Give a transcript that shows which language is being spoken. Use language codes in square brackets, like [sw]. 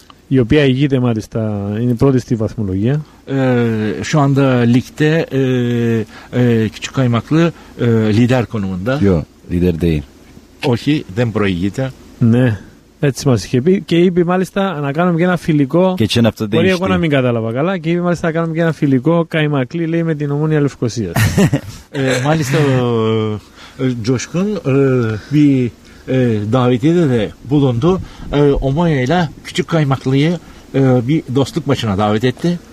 [el] Η οποία ηγείται μάλιστα, είναι πρώτη στη βαθμολογία. [tr] Şu anda ligde küçük kaymaklı lider konumunda. Yok, lider değil. [el] Όχι, δεν προηγείται. Ναι, έτσι μας είχε πει. Και είπε μάλιστα να κάνουμε και ένα φιλικό. [tr] Geçen hafta değişti. [el] Μπορεί εγώ να μην κατάλαβα καλά. Και είπε μάλιστα να κάνουμε και ένα φιλικό καϊμακλή, λέει, με την Ομόνια Λευκοσίας. Μάλιστα, [tr] Coşkun, bir davetiyede de bulundu. Omonia ile Küçük Kaymaklı'yı bir dostluk maçına davet etti.